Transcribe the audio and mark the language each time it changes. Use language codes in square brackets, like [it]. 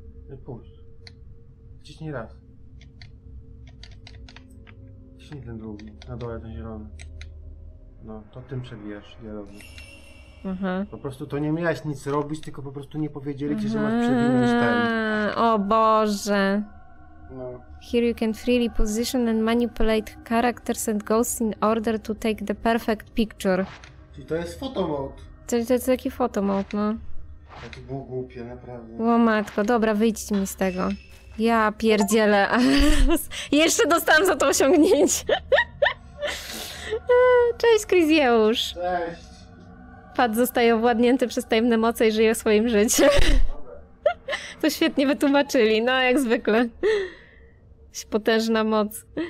[pl] No pójdź. Wciśnij raz. Wciśnij ten drugi, na dole ten zielony. No, to tym przewijasz dialogi. Aha. Po prostu to nie miałeś nic robić, tylko po prostu nie powiedzieli ci, że masz przewinąć ten. O Boże. No. [en] Here you can freely position and manipulate characters and ghosts in order to take the perfect picture. [pl] Czyli to jest fotomod. To jest taki fotomod, no. A to było głupie, naprawdę. O matko, dobra, wyjdźcie mi z tego. Ja pierdzielę. Jeszcze dostałam za to osiągnięcie. Cześć, Krizjeusz. Cześć. Pat zostaje owładnięty przez tajemne moce i żyje swoim życiem. To świetnie wytłumaczyli, no jak zwykle. Potężna moc.